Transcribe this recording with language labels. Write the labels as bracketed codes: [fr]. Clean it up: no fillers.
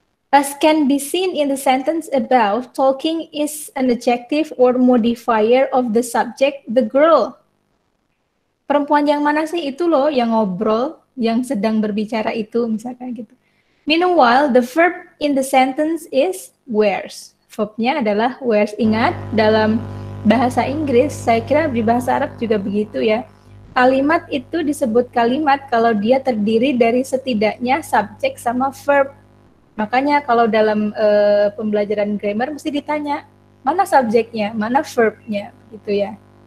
[en] As can be seen in the sentence above, talking is an adjective or modifier of the subject, the girl. [id] Perempuan yang mana sih itu loh yang ngobrol, yang sedang berbicara itu misalkan gitu. [en] Meanwhile, the verb in the sentence is wears. [id] Verbnya adalah wears. Ingat, dalam bahasa Inggris, saya kira di bahasa Arab juga begitu ya. Kalimat itu disebut kalimat kalau dia terdiri dari setidaknya subjek sama verb. Makanya kalau dalam pembelajaran grammar mesti ditanya, mana subjeknya, mana verbnya, gitu ya.